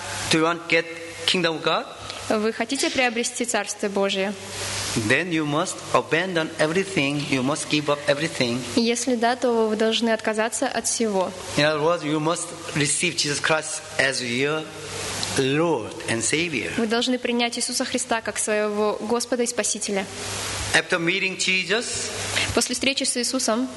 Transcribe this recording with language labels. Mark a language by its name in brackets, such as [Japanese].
[English] Do you want to get kingdom of God? [Russian] Вы хотите приобрести Царство Божие? [English] Then you must abandon everything. You must give up everything. [Russian] Если да, то вы должны отказаться от всего. [English] In other words, you must receive Jesus Christ as your Lord and Savior. [Russian] Вы должны принять Иисуса Христа как своего Господа и Спасителя. [English] After meeting Jesus, [Russian] после встречи с Иисусом,